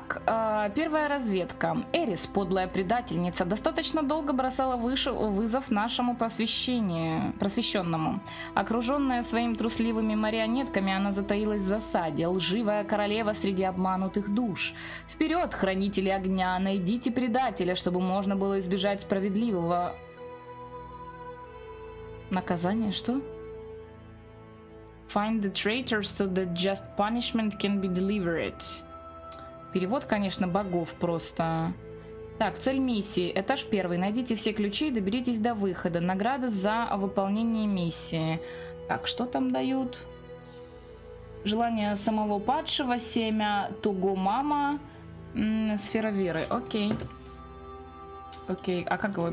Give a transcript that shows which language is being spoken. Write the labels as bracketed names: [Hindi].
[Russian] Так, первая разведка. Эрис, подлая предательница, достаточно долго бросала вызов нашему просвещенному. Окруженная своими трусливыми марионетками, она затаилась в засаде. Лживая королева среди обманутых душ. Вперед, хранители огня, найдите предателя, чтобы можно было избежать справедливого... Наказание, что? [English] Find the traitor so that just punishment can be delivered. [Russian] Перевод, конечно, богов просто. Так, цель миссии. Этаж первый. Найдите все ключи и доберитесь до выхода. Награда за выполнение миссии. Так, что там дают? Желание самого падшего, семя, туго мама, сфера веры. Окей. Окей, а как его?